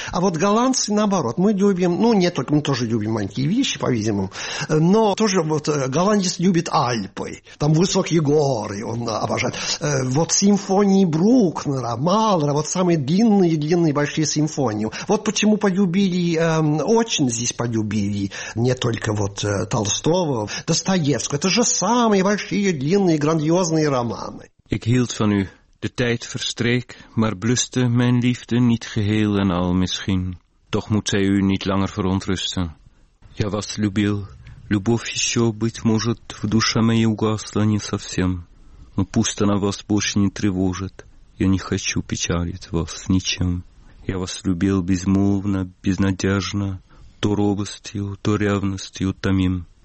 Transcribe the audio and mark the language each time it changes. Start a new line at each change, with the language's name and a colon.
Russian: А вот голландцы наоборот, мы любим, ну, не только, мы тоже любим маленькие вещи, по-видимому, но тоже вот голландец любит Альпы, там высокие горы он обожает. Вот симфония симфонии Брукнера, Малера, вот самые длинные-длинные большие симфонии. Вот почему полюбили, очень здесь полюбили, не только вот Толстого, Достоевского. Это же самые большие, длинные, грандиозные романы.
Dutch: Ik hield van u, de tijd verstreek, maar bluste mijn liefde niet geheel en al misschien. Toch moet zij u niet langer verontrusten.
Russian: Я вас любил, любовь еще, быть может, в душе моей угасла не совсем. Но пусть она вас больше не тревожит, я не хочу печалить вас ничем. Я вас любил безмолвно, безнадежно, то робостью, то ревностью томим.